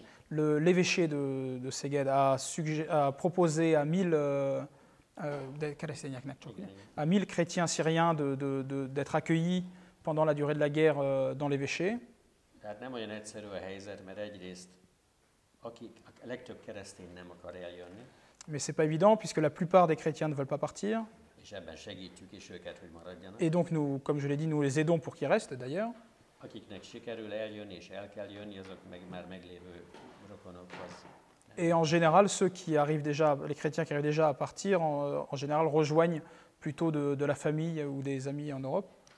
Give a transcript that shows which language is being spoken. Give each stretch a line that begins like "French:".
French: L'évêché de Szeged a proposé à 1000 chrétiens syriens d'être accueillis pendant la durée de la guerre dans l'évêché.
Hungarian: Tehát nem olyan egyszerű a helyzet, mert egyrészt a legtöbb keresztény nem akar eljönni.
French: Mais c'est pas évident puisque la plupart des chrétiens ne veulent pas partir.
Hungarian: És ebben segítjük is őket, hogy maradjanak.
French: Et donc nous, comme je l'ai dit, nous les aidons pour qu'ils restent d'ailleurs.
Hungarian: Akiknek sikerül eljönni és el kell jönni, azok meg már meglévő rokonokhoz.
French: Et en général, ceux qui arrivent déjà, les chrétiens qui arrivent déjà à partir, en général rejoignent plutôt de la famille ou des amis en Europe.